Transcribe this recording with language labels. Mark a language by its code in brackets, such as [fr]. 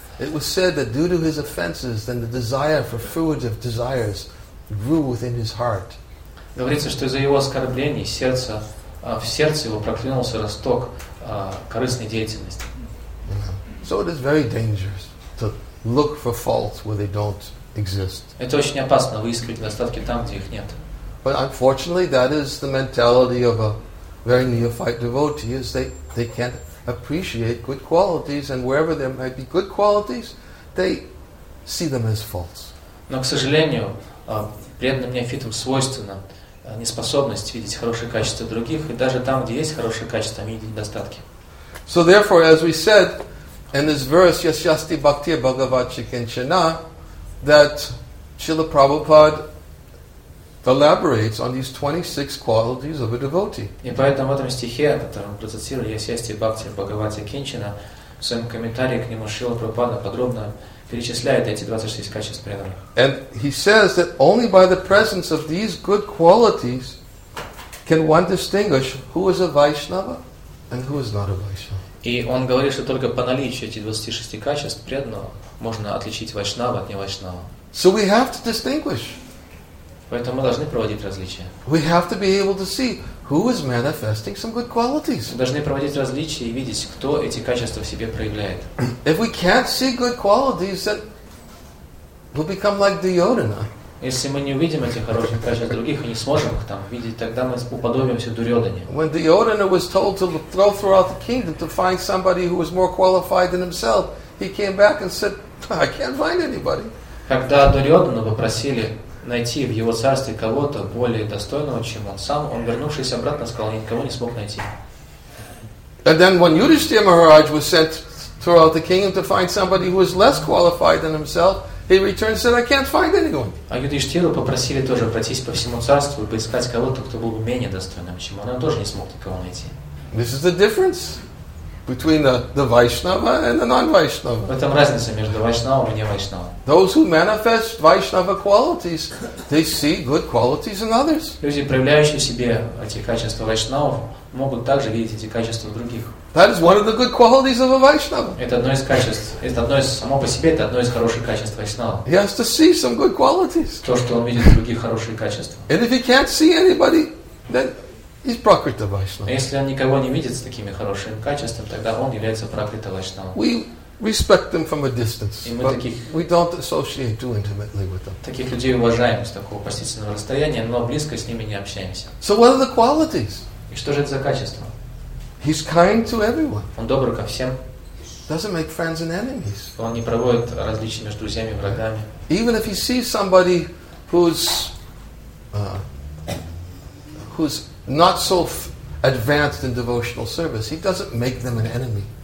[en] It was said that due to his offenses, then the desire for fruits of desires grew within his heart. [ru] Говорится, что из-за его оскорблений в сердце его проклюнулся росток корыстной деятельности. [en] So it is very dangerous to look for faults where they don't exist. [ru] Это очень опасно выискивать недостатки там, где их нет. [en] But unfortunately, that is the mentality of a very neophyte devotee, is they can't appreciate good qualities, and wherever there might be good qualities, they see them as faults. [ru] Но, к сожалению, преданным неофитам свойственна неспособность видеть хорошие качества других, и даже там, где есть хорошие качества, они видят недостатки. [en] So therefore, as we said in this verse, [sa] Yasyasti Bhakti Bhagavachi Kinchana, [en] that Srila Prabhupada elaborates on these 26 qualities of a devotee. [ru] И поэтому в этом стихе, который процитировал [sa] Ясясти Бхакти Бхагавати Кинчина, [ru] в своем комментарии к нему Шрила Прабхупада подробно перечисляет эти 26 качеств преданных. [en] And he says that only by the presence of these good qualities can one distinguish who is a Vaishnava and who is not a Vaishnava. [ru] И он говорит, что только по наличию этих 26 качеств преданного можно отличить Вайшнава от невайшнава. [en] So we have to distinguish. [ru] Поэтому мы должны проводить различия. [en] We have to be able to see who is manifesting some good qualities. [ru] Мы должны проводить различия и видеть, кто эти качества в себе проявляет. [en] If we can't see good qualities, then we'll become like Duryodhana. [ru] Если мы не увидим этих хороших качеств других и не сможем их там видеть, тогда мы уподобимся Дурьодхане. [en] When Duryodhana was told to throw throughout the kingdom to find somebody who was more qualified than himself, he came back and said, "I can't find anybody." [ru] Когда Дурьодхану попросили найти в его царстве кого-то более достойного, чем он сам, он, вернувшись обратно, сказал, никого не смог найти. [en] And then when Yudhishthira Maharaj was sent throughout the kingdom to find somebody who was less qualified than himself, he returned and said, I can't find anyone. [ru] А Юдиштиру попросили тоже пройтись по всему царству и поискать кого-то, кто был бы менее достойным, чем он. Он тоже не смог никого найти. [en] This is the difference between the Vaishnava and the non-Vaishnava. [ru] В этом разница между Вайшнавом и невайшнавом. [en] Those who manifest Vaishnava qualities, they see good qualities in others. [ru] Люди, проявляющие в себе эти качества Вайшнавов, могут также видеть эти качества в других. [en] That is one of the good qualities of a Vaishnava. [ru] Это одно из качеств. Само по себе это одно из хороших качеств Вайшнава. [en] He has to see some good qualities. [ru] То, что он видит в других хорошие качества. [en] And if he can't see anybody, then he's Prakrita Vaishnava. [ru] Если он никого не видит с такими хорошими качествами, тогда он является Пракрита Вайшнава. [en] We respect them from a distance, but we don't associate too intimately with them. [ru] Таких людей уважаем с такого почтительного расстояния, но близко с ними не общаемся. [en] So what are the qualities? [ru] И что же это за качества? [en] He's kind to everyone. [ru] Он добр ко всем. [en] Doesn't make friends and enemies. [ru] Он не проводит различия между друзьями и врагами. [en] Even if he sees somebody who's not so advanced in devotional service, he doesn't make them an enemy.